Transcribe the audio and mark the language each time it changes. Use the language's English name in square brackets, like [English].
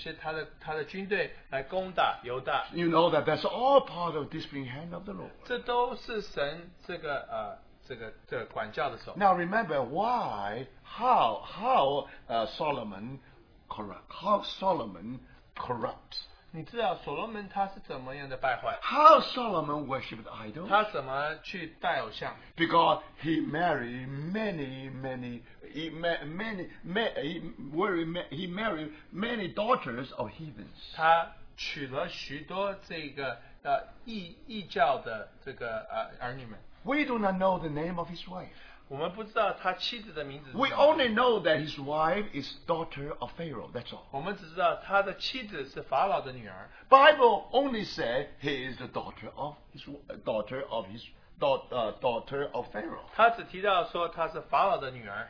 [Chinese] 所以施沙也带领了这些他的军队来攻打犹大。 [English] You know that that's all part of the disciplining hand of the Lord. [Chinese] 这都是神这个管教的手。 [English] Now remember why, how Solomon corrupt. [Chinese] 你知道所罗门他是怎么样的败坏? [English] How Solomon worshipped idols? [Chinese] 他怎么去拜偶像? [English] Because he married many daughters of heathens. [Chinese] 他娶了许多这个异教的这个儿女们。 [English] We do not know the name of his wife. [Chinese] 我们不知道他妻子的名字。 [English] We only know that his wife is daughter of Pharaoh. That's all. [Chinese] 我们只知道他的妻子是法老的女儿。 [English] Bible only say he is the daughter of Pharaoh. [Chinese] 他只提到说他是法老的女儿。